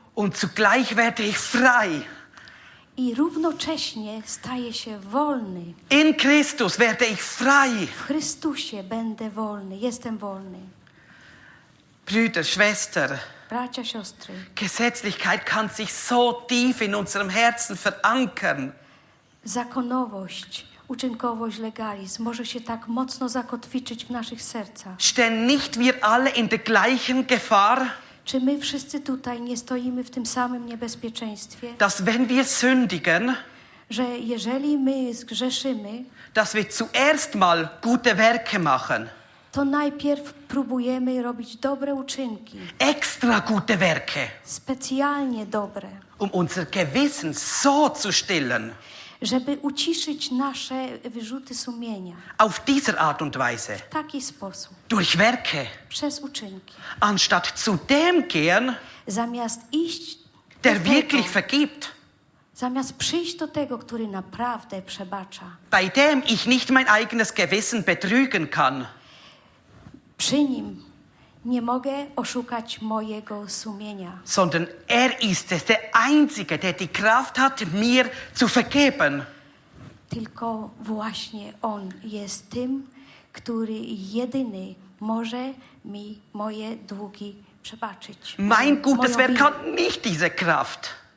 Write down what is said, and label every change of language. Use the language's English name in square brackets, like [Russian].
[German] Und zugleich werde ich frei. [Polish] I równocześnie staję się wolny. [German] In Christus werde ich frei. [Polish] W Chrystusie będę wolny. Jestem wolny. [German] Brüder, Schwester. [Polish] Bracia, siostry. [German] Gesetzlichkeit kann sich so tief in unserem Herzen verankern. [Polish] Zakonowość, uczynkowość, legalizm może się tak mocno zakotwiczyć w naszych sercach. [German] Stehen nicht wir alle in der gleichen Gefahr? [Polish] Czy my wszyscy tutaj nie stoimy w tym samym niebezpieczeństwie? [German] Dass wenn wir sündigen, [Polish] że jeżeli my zgrzeszymy, [German] dass wir zuerst mal gute Werke machen, [Polish] to najpierw próbujemy robić dobre uczynki. [German] Extra gute Werke. [Polish] Specjalnie dobre. [German] Um unser Gewissen so zu stillen. [Polish] Żeby uciszyć nasze wyrzuty sumienia. [German] Auf dieser Art und Weise. [Polish] W taki sposób. [German] Durch Werke. [Polish] Przez uczynki. [German] Anstatt zu dem gehen. [Polish] Zamiast iść. [German] Der wirklich vergibt. [Polish] Zamiast przyjść do tego, który naprawdę przebacza. [German] Bei dem ich nicht mein eigenes Gewissen betrügen kann. [Polish] Przy nim nie mogę oszukać mojego sumienia. [German] Sondern ist es, der Einzige, der die Kraft hat, mir zu vergeben. [Polish] Tylko właśnie on jest tym, który jedyny może mi moje długi przebaczyć. [German] Mein gutes Werk hat nicht diese Kraft.